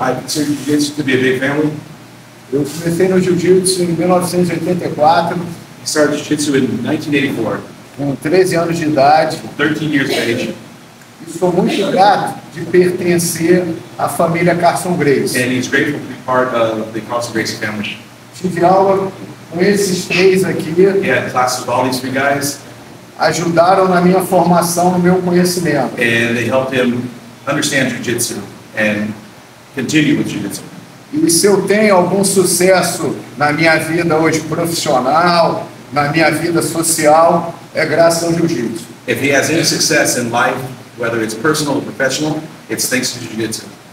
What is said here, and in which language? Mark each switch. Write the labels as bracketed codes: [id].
[en] I consider jiu-jitsu to be a big family. [pt] Eu comecei no jiu-jitsu em 1984. [en] I started jiu-jitsu in 1984. [pt] Com 13 anos de idade. [en] 13 years of age. [pt] E sou muito grato de pertencer à família Carlson Grace. [en] And he's grateful to be part of the Carlson Grace family. [pt] Tive aula com esses três aqui. [en] Yeah, class with all these three guys. [pt] Ajudaram na minha formação, no meu conhecimento. [en] And they helped him understand jiu-jitsu and continue with jiu-jitsu. [pt] E se eu tenho algum sucesso na minha vida hoje profissional, na minha vida social, é graças ao jiu-jitsu. [en] If he has any success in life, whether it's personal or professional, it's thanks to jiu-jitsu.